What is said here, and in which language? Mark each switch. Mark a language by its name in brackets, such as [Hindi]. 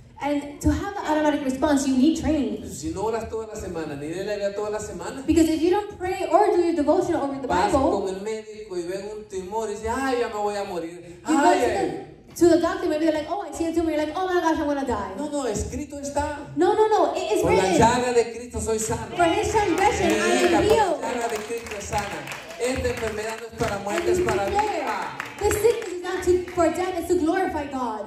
[English] And to have the automatic response, you need training. [Spanish] Si no oras toda la semana, ni lees la Biblia toda la semana. [English] Because if you don't pray or do your devotional or read the Bible. [Spanish] Vas con el médico y ves un tumor y dices, ay, ya me voy a morir. [English] To the doctor, maybe they're like, oh, I see a tumor. You're like, oh my gosh, I'm going to die. [Spanish] No, escrito está. [English] No, it is written. [Spanish] Por la llaga de Cristo soy sano. [English] For his transgression, I am healed. [Spanish] Por la llaga de Cristo es sana. Esta enfermedad no es para muerte, es para vida. [English] This sickness is not for death, it's to glorify God.